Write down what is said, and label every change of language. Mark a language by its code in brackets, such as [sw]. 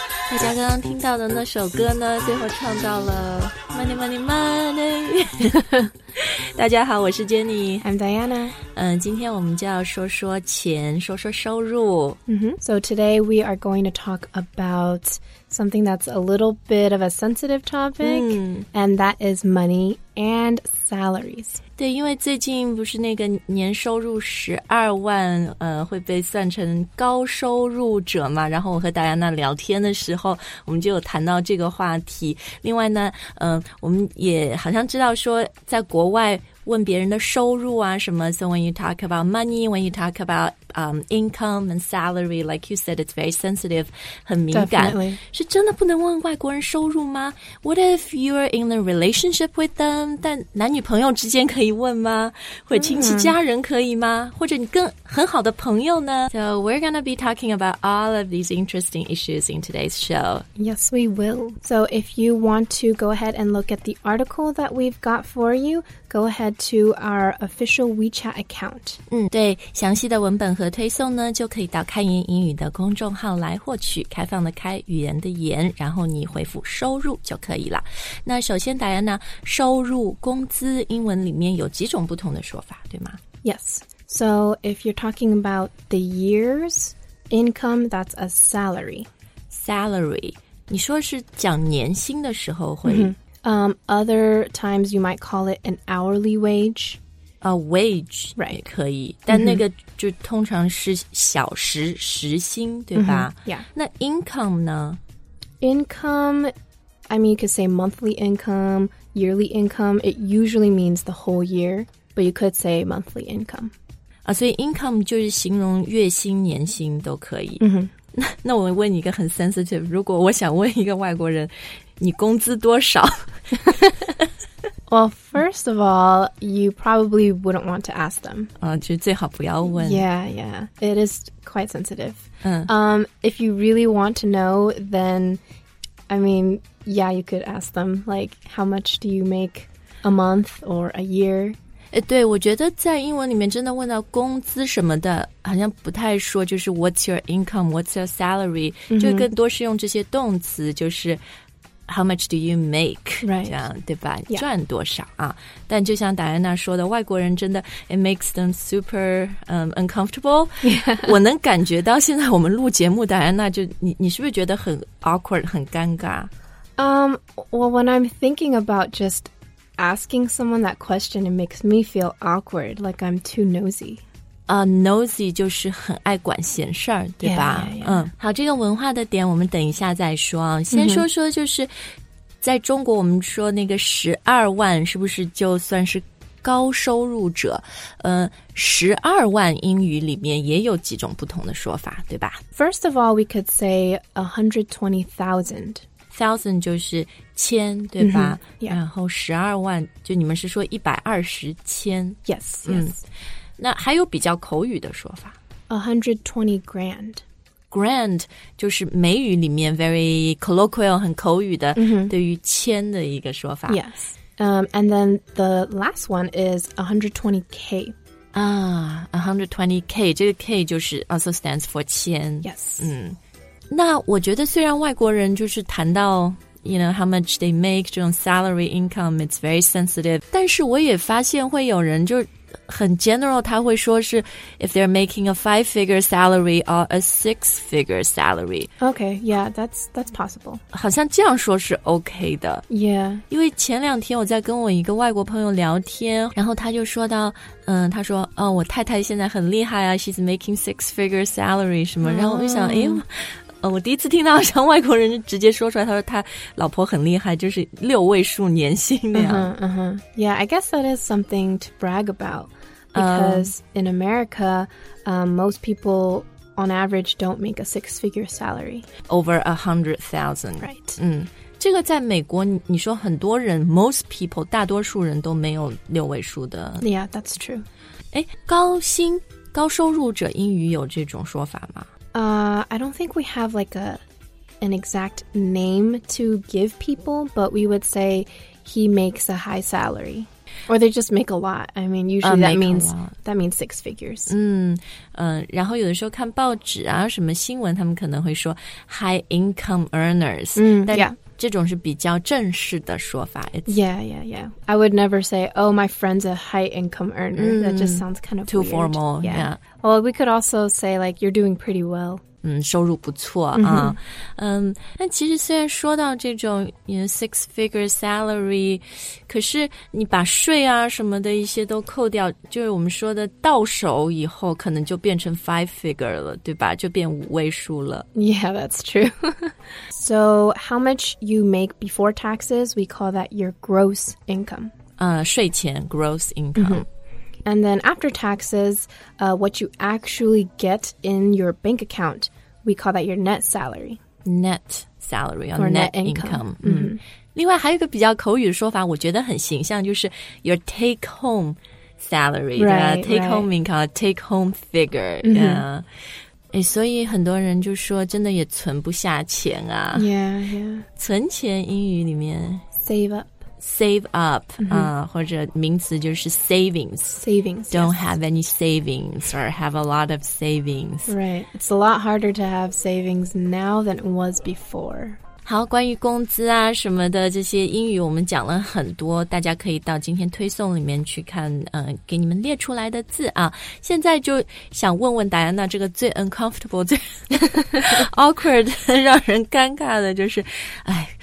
[zh] 大家刚刚听到的那首歌呢，最后唱到了 [en] money money money。 [zh] 大家好，我是 Jenny， [en] I'm Diana。 [zh] 今天我们就要说说钱，说说收入。 [en] So today we are going to talk about something that's a little bit of a sensitive topic,and that is money and salaries. [zh] 对，因为最近不是那个年收入12万，会被算成高收入者嘛？然后我和 Diana 聊天的时候，我们就有谈到这个话题。另外呢，我们也好像知道说，在国外问别人的收入啊什么， [en] so when you talk about money, when you talk about income and salary, like you said, it's very sensitive, [zh] 很敏感。 [en] Definitely. [zh] 是真的不能问外国人收入吗？ [en] What if you're in a relationship with them? [zh] 但男女朋友之间可以问吗？或者亲戚家人可以吗？或者你跟很好的朋友呢？ [en] So we're gonna be talking about all of these interesting issues in today's show. Yes, we will. So if you want to go ahead and look at the article that we've got for you, go ahead to our official WeChat account. [zh] 对，详细的文本和推送呢，就可以到开言英语的公众号来获取，开放的开，语言的言，然后你回复收入就可以了。那首先达安娜，收入、工资，英文里面有几种不同的说法，对吗？ [en] Yes. So if you're talking about the year's income, that's a salary. Salary. [zh] 你说是讲年薪的时候会、 [en] Other times you might call it an hourly wage. A wage, right? [zh] 可以，但那个就通常是小时时薪，对吧？ [en] Yeah. [zh] 那 income 呢？ [en] Income, I mean, you could say monthly income, yearly income. It usually means the whole year, but you could say monthly income. [zh] 啊，所以 income 就是形容月薪、年薪都可以。那我问你一个很 sensitive， 如果我想问一个外国人，你工资多少？ [en] Well, first of all, you probably wouldn't want to ask them. [zh] 就最好不要问。 [en] Yeah, yeah. It is quite sensitive. 嗯。 If you really want to know, then, I mean, yeah, you could ask them, like, how much do you make a month or a year? [zh] 对，我觉得在英文里面真的问到工资什么的，好像不太说就是 [en] what's your income, what's your salary, [zh] 就更多是用这些动词，就是 [en] How much do you make? Right. [zh] 这样对吧、 [en] yeah. [zh] 赚多少啊。但就像达安娜说的，外国人真的 [en] it makes them super uncomfortable.、 Yeah. [zh] 我能感觉到现在我们录节目达安娜就 你是不是觉得很 awkward, 很尴尬、 [en] Well, when I'm thinking about just asking someone that question, it makes me feel awkward, like I'm too nosy. [zh] Nosy 就是很爱管闲事儿，对吧？ [en] Yeah, yeah, yeah. [zh] 好，这个文化的点我们等一下再说啊。先说说就是在中国我们说那个十二万是不是就算是高收入者？十二万英语里面也有几种不同的说法，对吧？ [en] First of all, we could say 120,000. [zh] Thousand 就是千，对吧？ [en] Yeah. [zh] 然后十二万就你们是说120,000。 [en] Yes, yes. [zh] 那还有比较口语的说法 [en] 120 grand. [zh] Grand 就是美语里面 [en] very colloquial [zh] 很口语的、对于千的一个说法 [en] Yes. And then the last one is 120k. [zh] 啊 120k 这个 k 就是 [en] also stands for [zh] 千 [en] Yes. [zh] 那我觉得虽然外国人就是谈到 [en] You know, how much they make, [zh] 这种 [en] salary income, it's very sensitive. [zh] 但是我也发现会有人就很 [en] general, [zh] 他会说是 [en] if they're making a five-figure salary or a six-figure salary. Okay, yeah, that's possible. [zh] 好像这样说是 okay 的。 [en] Yeah. [zh] 因为前两天我在跟我一个外国朋友聊天然后他就说到他说哦我太太现在很厉害啊 [en] she's making six-figure salary [zh] 什么、然后我就想哎呦我第一次听到像外国人直接说出来他说他老婆很厉害就是六位数年薪那样。 [en] Yeah, I guess that is something to brag about. Because in America, most people on average don't make a six-figure salary. Over 100,000. Right. [zh] 这个在美国你说很多人 [en] most people, [zh] 大多数人都没有六位数的。 [en] Yeah, that's true. [zh] 诶高薪高收入者英语有这种说法吗 [en] I don't think we have like a an exact name to give people, but we would say he makes a high salary. Or they just make a lot. I mean, usually that means six figures. [zh] 然后有的时候看报纸啊，什么新闻，他们可能会说 [en] high income earners. [zh] 这种是比较正式的说法。 [en] I would never say, oh, my friend's a high income earner. That just sounds kind of too weird. Formal. Yeah. Well, we could also say, like, you're doing pretty well. [zh] 收入不错啊。那其实虽然说到这种 [en] you know, six-figure salary, [zh] 可是你把税啊什么的一些都扣掉，就是我们说的到手以后可能就变成 five-figure 了，对吧？就变五位数了。 [en] Yeah, that's true. So how much you make before taxes, we call that your gross income. [zh] 税前 gross income. [en] And then after taxes, what you actually get in your bank account, we call that your net salary. Net salary, or net income. Mm-hmm. [zh] 另外还有一个比较口语的说法我觉得很形象就是 [en] your take home salary, right, take home income, take home figure. Mm-hmm. Yeah. [zh] 所以很多人就说真的也存不下钱啊。 [en] Yeah, yeah. [zh] 存钱英语里面。 [en] Save up, mm-hmm. [zh] 或者名词就是 savings. [en] Savings, Don't yes. have any savings or have a lot of savings. Right. It's a lot harder to have savings now than it was before. [zh] 好，关于工资啊什么的这些英语我们讲了很多，大家可以到今天推送里面去看，给你们列出来的字啊。现在就想问问戴安娜这个最 uncomfortable, 最awkward, 让人尴尬的就是，哎。